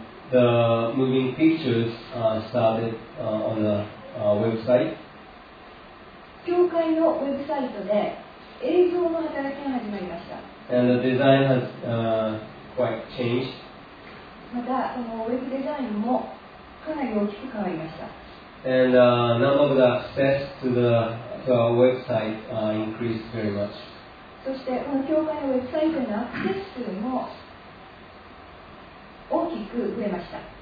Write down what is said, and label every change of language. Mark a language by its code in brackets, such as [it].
[en] The moving pictures started on the website. [ja] 教会のウェブサイトで映像の働きが始まりました。 [en] And the design has quite changed. [ja] またそのウェブデザインもかなり大きく変わりました。 [en] And number of access to our website increased very much. [ja] そしてこの教会のウェブサイトのアクセス数も大きく増えました。